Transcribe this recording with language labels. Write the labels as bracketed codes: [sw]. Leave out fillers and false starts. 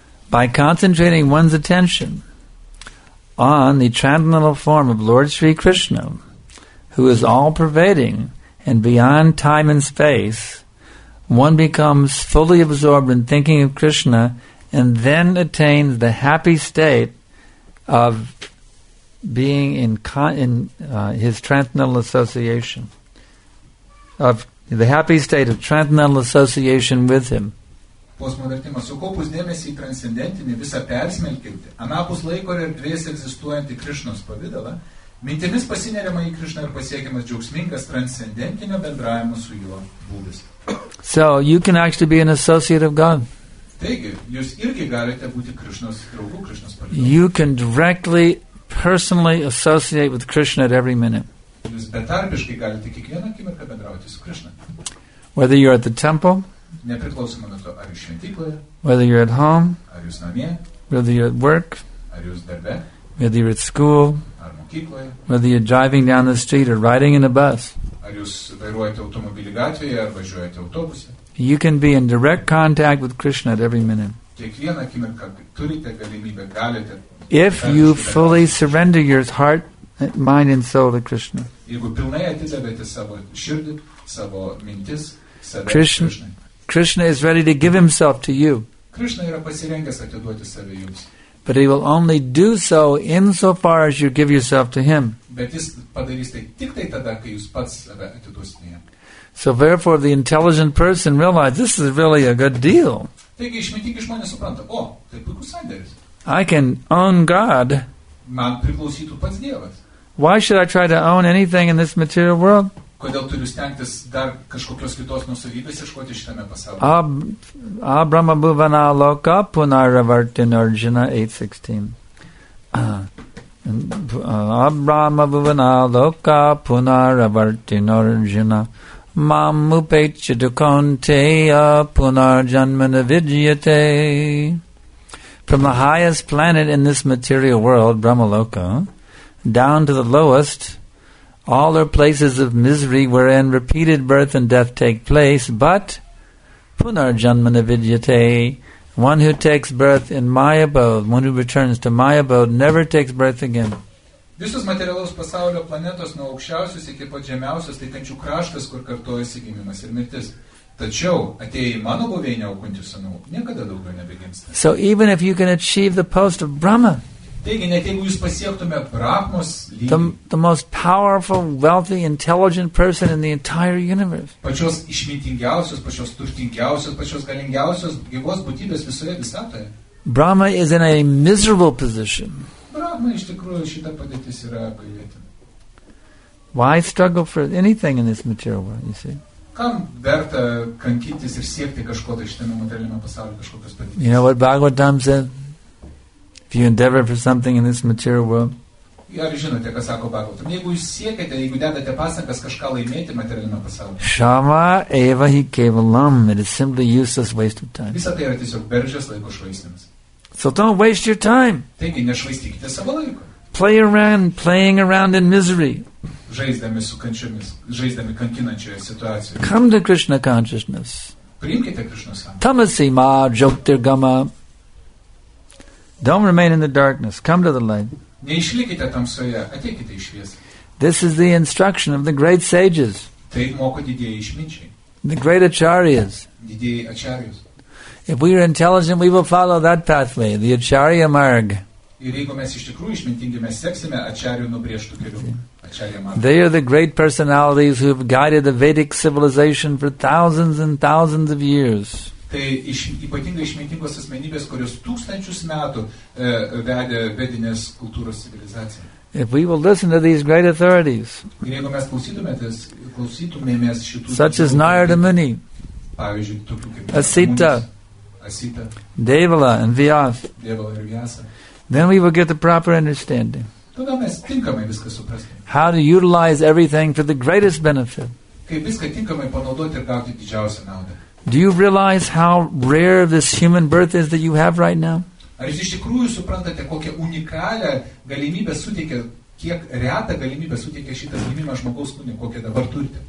[en] By concentrating one's attention on the transcendental form of Lord Sri Krishna, who is all-pervading and beyond time and space, one becomes fully absorbed in thinking of Krishna and then attains the happy state of being in his transcendental association, of the happy state of transcendental association with him. [lt] Postmodernizmas, sukaupus dėmesį į transcendentinį, visą persmelkinti, anapus laiko ir erdvės egzistuojantį Krišnos pavidalą, mintimis pasineriama į Krišną ir pasiekiamas džiaugsmingas transcendentinio bendravimo su juo būdis. [en] So, you can actually be an associate of God. [lt] Taigi, jūs irgi galite būti Krišnos draugu, Krišnos palydovu. [en] You can directly, personally associate with Krishna at every minute. [lt] Jūs betarpiškai galite kiekvieną akimirką bendrauti su Krišna. [en] Whether you're at the temple, [lt] nepriklausomai nuo to, ar jūs šventykloje, [en] whether you're at home, [lt] ar jūs namie, [en] whether you're at work, [lt] ar jūs darbe, [en] whether you're at school, [lt] ar mokykloje, [en] whether you're driving down the street or riding in a bus, [lt] ar jūs vairuojate automobilį gatvėje ar važiuojate autobuse. [en] You can be in direct contact with Krishna at every minute. [lt] Kiekvieną akimirką turite galimybę, galite. [en] If you fully surrender your heart, mind and soul to Krishna. [lt] Jeigu pilnai atidavėte savo širdį, savo mintis, save Krishnai. [en] Krishna is ready to give himself to you. [lt] Krishna yra pasirengęs atiduoti save jums. [en] But he will only do so insofar as you give yourself to him. [lt] Bet jis padarys tai tik tai tada, kai jūs pats save atiduosite jam. [en] So therefore the intelligent person realized this is really a good deal. [lt] Taigi išmintingi žmonės supranta, o, tai puikus sandėris. [en] I can own God. [lt] Man priklausytų pats Dievas. [en] Why should I try to own anything in this material world? [lt] Kodėl turiu stengtis dar kažkokios kitos nusavybės iškoti šitame pasaulyje? [sa] Abrahma bhuvana loka punaravartin arjuna 8:16. Abrahma bhuvana loka punaravartin arjuna mam upechyate kaunteya punarjanmana vidyate. [en] From the highest planet in this material world, Brahmaloka, down to the lowest, all are places of misery wherein repeated birth and death take place, but [sa] punarjanmana vidyate, [en] one who takes birth in my abode, one who returns to my abode, never takes birth again. [lt] Visos materialaus pasaulio planetos nuo aukščiausios iki pat žemiausios, tai kančių kraštas, kur kartojasi gimimas ir mirtis. Tačiau atėjai mano buveinę aukunti sanų, niekada daugiau nebegimsta. [en] So even if you can achieve the post of Brahma, [lt] taigi, net jeigu jūs pasiektume Brahmos lygį, [en] the most powerful, wealthy, intelligent person in the entire universe, [lt] pačios išmintingiausios, pačios turtingiausios, pačios galingiausios gyvos būtybės visoje visatoje, [en] Brahma is in a miserable position. [lt] Brahma, iš tikrųjų, šita padėtis yra apgailėtina. [en] Why struggle for anything in this material world, you see? [lt] Kam verta kankintis ir siekti kažko tai šitame materialiame pasaulyje kažkokios padėtis? [en] You know what Bhagavatam said? If you endeavor for something in this material world, [lt] ar žinote, ką sako Bhagavatam? Jeigu jūs siekite, jeigu dedate pasakas kažką laimėti materialiame pasaulyje, [sa] shama eva hi kevalam, [en] it is simply useless waste of time. [lt] Visa tai yra tiesiog bergždžias laiko švaistymas. [en] So don't waste your time. [lt] Taigi, nešvaistykite savo laiko. [en] Play around, playing around in misery. [lt] Žaisdami su kančiomis, žaisdami kankinančioje situacijoje. [en] Come to Krishna consciousness. [lt] Priimkite Krishna sąmonę. [sa] Tamasi ma jyotirgama. [en] Don't remain in the darkness. Come to the light. [lt] Neišlikite tamsoje, ateikite į šviesą. [en] This is the instruction of the great sages. [lt] Taip moko didieji išminčiai. [en] The great acharyas. [lt] Didieji acharyas. [en] If we are intelligent, we will follow that pathway, the Acharya Marg. [lt] Ir jeigu mes iš tikrųjų išmintingi, mes seksime Acharyų nubrėžtų kelių. Acharya Marg. [en] They are the great personalities who have guided the Vedic civilization for thousands and thousands of years. [lt] Tai ypatingai išmintingos asmenybės, kurios tūkstančius metų vedė vedinės kultūros civilizaciją. [en] If we will listen to these great authorities, [lt] ir jeigu mes klausytumėmės šitų, [en] such as Narada Muni, [lt] pavyzdžiui, tokių kaip [en] Asita, [lt] Asita, [en] Devala and Vyasa. [lt] Devala ir Vyasa. [en] Then we will get the proper understanding. [lt] Tada mes tinkamai viską suprasti. [en] How to utilize everything for the greatest benefit. [lt] Kaip viską tinkamai panaudoti ir gauti didžiausią naudą. [en] Do you realize how rare this human birth is that you have right now? [lt] Ar jūs iš tikrųjų suprantate, kokią unikalią galimybę suteikia, kiek retą galimybę suteikia šitas gimimas žmogaus kūne, kokią dabar turite?